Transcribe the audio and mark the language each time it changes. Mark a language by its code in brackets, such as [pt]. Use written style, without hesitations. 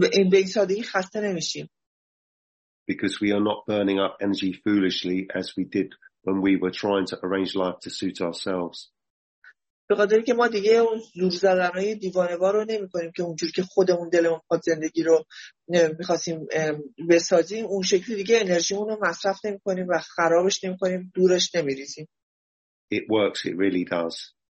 [fa] به این سادگی خسته نمیشیم. [en] Because we are not burning up energy foolishly as we did when we were trying to arrange life to suit ourselves. [fa] به قدری که ما دیگه اون زور زدنهای دیوانوار رو نمی کنیم که اونجور که خودمون دلمون خواد زندگی رو میخواستیم بسازیم، اون شکلی دیگه انرژیمون رو مصرف نمی کنیم و خرابش نمی کنیم، دورش نمی ریزیم. [en] It works, it really does.